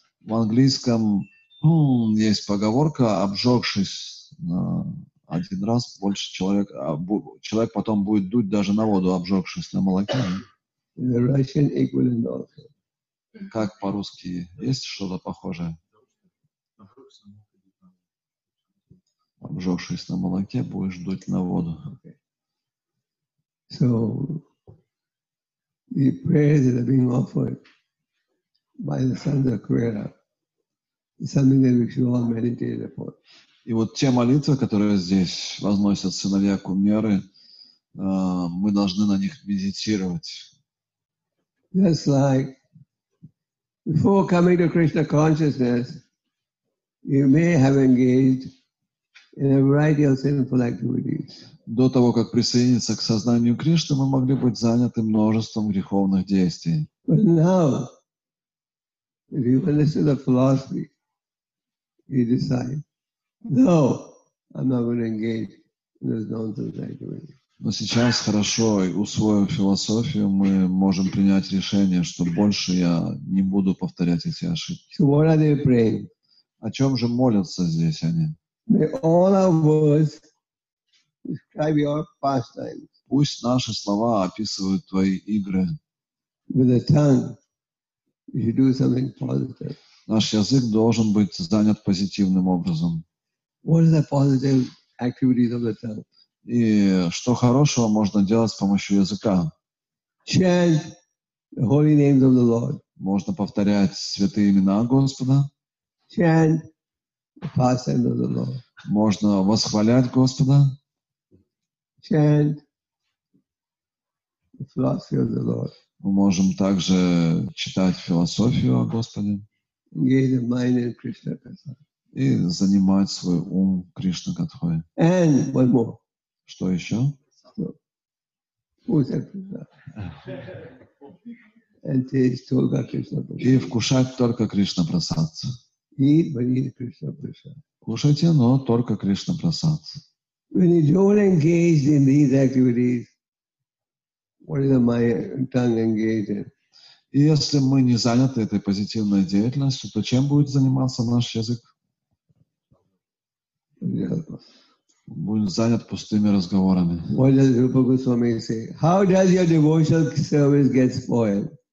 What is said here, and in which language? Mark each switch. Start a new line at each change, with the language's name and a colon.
Russian: В английском есть поговорка, обжегшись один раз, больше человек потом будет дуть даже на воду, обжегшись на молоке.
English: In the Russian equivalent of.
Russian: Как по-русски? Есть что-то похожее? Обжегшись на молоке, будешь дуть на воду.
English: So, the prayers that are being offered by the sons of Kuvera is something that we should all meditate upon.
Russian: И вот те молитвы, которые здесь возносят сыновья Кумеры, мы должны на них медитировать.
English: Just like before coming to Krishna consciousness, you may have engaged in a variety of sinful activities.
Russian: До того, как присоединиться к сознанию Кришны, мы могли быть заняты множеством греховных действий.
English: But now, if you understand the philosophy, you decide, no, I'm not going to engage in those nonsense activities.
Russian: Но сейчас, хорошо усвоив философию, мы можем принять решение, что больше я не буду повторять эти ошибки.
English: So what are they praying?
Russian: О чем же молятся здесь они?
English: May all our words describe your pastimes.
Russian: Пусть наши слова описывают твои игры.
English: With a tongue, you should do something positive.
Russian: Наш язык должен быть занят позитивным образом.
English: What are the positive activities of the tongue?
Russian: И что хорошего можно делать с помощью языка?
English: Chant the holy names of the Lord.
Russian: Можно повторять святые имена Господа.
English: Chant the pastimes of the Lord.
Russian: Можно восхвалять Господа.
English: Chant the philosophy of the Lord.
Russian: Мы можем также читать философию о Господе.
English: Engage the mind in Krishna consciousness.
Russian: И занимать свой ум Кришна Катхой.
English: And one more.
Russian: Что еще?
English: And taste
Russian: только Кришна Прасад. И вкушать только Кришна Прасад.
English: Eat, but eat Krishna Prasad.
Russian: Кушайте, но только Кришна Прасад.
English: When you don't engage in these activities, what is my tongue engaged in?
Russian: И если мы не заняты этой позитивной деятельностью, то чем будет заниматься наш язык? Будет занят пустыми разговорами.
English: What does Rupa Goswami say? How does your devotional service get spoiled?